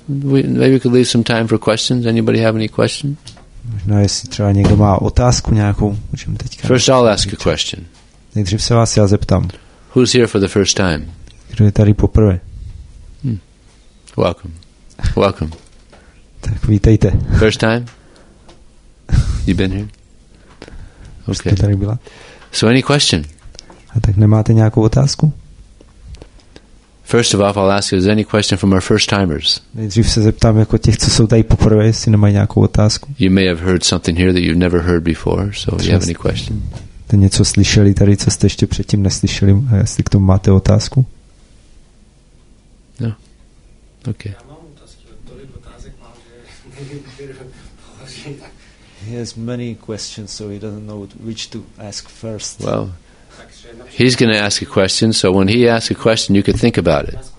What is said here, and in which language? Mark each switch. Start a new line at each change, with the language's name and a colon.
English: Maybe we could leave some time for questions. Anybody have any questions?
Czech: Možná jestli třeba někdo má otázku nějakou, můžeme teďka.
English: First, I'll ask a question.
Czech: Nejdřív se vás já zeptám.
English: Who's here for the first time?
Czech: Kdo je tady poprvé?
English: Welcome.
Czech: Tak vítejte.
English: First time? You've been here?
Czech: Okay. Jste tady byla?
English: So any question?
Czech: A tak nemáte nějakou otázku?
English: First of all, I'll ask you, is there any question from our first timers?
Czech: Nejdřív se zeptám jako těch, co jsou tady poprvé, jestli nemají nějakou otázku.
English: You may have heard something here that you've never heard before, so if you have any question.
Czech: Jste něco slyšeli tady, co jste ještě předtím neslyšeli, jestli k tomu máte otázku?
English: No. Okay.
Czech: Já mám otázky, tolik otázek mám, že
English: he has many questions, so he doesn't know which to ask first. Well, he's going to ask a question, so when he asks a question, you can think about it.